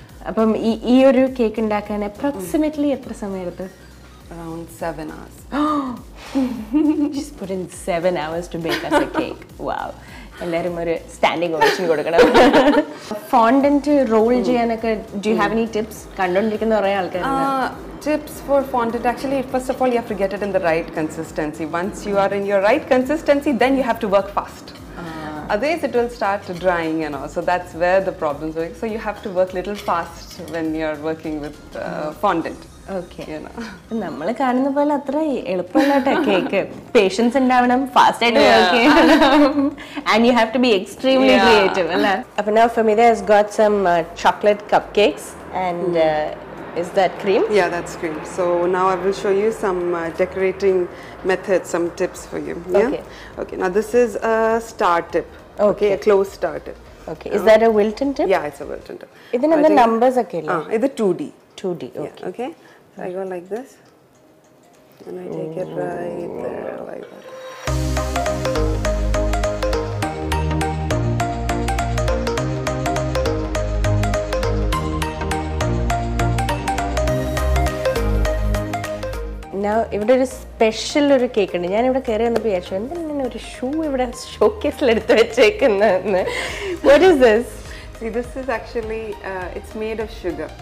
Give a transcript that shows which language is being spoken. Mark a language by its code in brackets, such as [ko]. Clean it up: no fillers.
[ml] അപ്പം ഈ ഈ ഒരു കേക്ക് ഉണ്ടാക്കാൻ അപ്രോക്സിമേറ്റ്ലി എത്ര സമയമെടുത്തു? [en] Around 7 hours. Just put in 7 hours to bake a cake. Wow, [ml] എല്ലാവരും ഒരു സ്റ്റാൻഡിംഗ് ഓവേഷൻ കൊടുക്കണം. ഫോണ്ടന്റ് റോൾ ചെയ്യാനൊക്കെ [en] Do have any tips? [ml] കണ്ടുകൊണ്ടിരിക്കുന്ന കുറേ ആൾക്കാരുണ്ട്. [en] Tips for fondant, actually first of all you have to get it in the right consistency. Once you are in your right consistency, then you have to work fast. Otherwise it will start drying, you know, so that's where the problems are. So you have to work little fast when you are working with fondant. Okay, you know, [ml] നമ്മള് കാണുന്ന പോലെ അത്ര എളുപ്പമല്ലട്ട cake. Patients ഉണ്ടാവണം, fast ആയിട്ട് work ചെയ്യണം, [en] and you have to be extremely creative [ml] അല്ലേ? [en] അപ്പൊ now Fameeda has got some chocolate cupcakes and is that cream? Yeah, that's cream. So now I will show you some decorating methods, some tips for you. Yeah? Okay. Okay. Now this is a star tip. Okay. A close star tip. Okay. Is that a Wilton tip? Yeah, it's a Wilton tip. Idin and the numbers are killing. Ah, it's a 2D. 2D. Okay. Yeah, okay. So I go like this. And I take it right there like that. I [ml] പിന്നെ ഇവിടെ ഒരു special ഒരു cake ഉണ്ട്. ഞാൻ ഇവിടെ കയറി വന്നപ്പോൾ വിചാരിച്ചു എന്താ ഇങ്ങനെ ഒരു ഷൂ ഇവിടെ ഷോ കേസിൽ എടുത്ത് വെച്ചേക്കുന്നതെന്ന്. [en] What is this? See, this is actually, it's made of sugar.